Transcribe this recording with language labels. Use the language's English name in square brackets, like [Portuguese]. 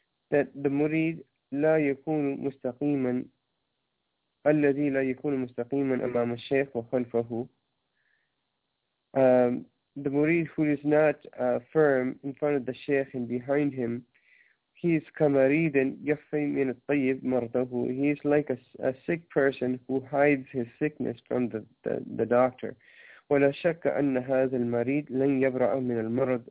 [English] That the murid [Arabic] لا يكون مستقيما الذي لا يكون مستقيما أمام الشيخ وخلفه. [English] The murid who is not firm in front of the sheikh and behind him, he is kamaridan yafi min al-tayyib mardahu. He is like a sick person who hides his sickness from the doctor. [Arabic] ولا شك أن هذا المريض لن يبرأ من المرض.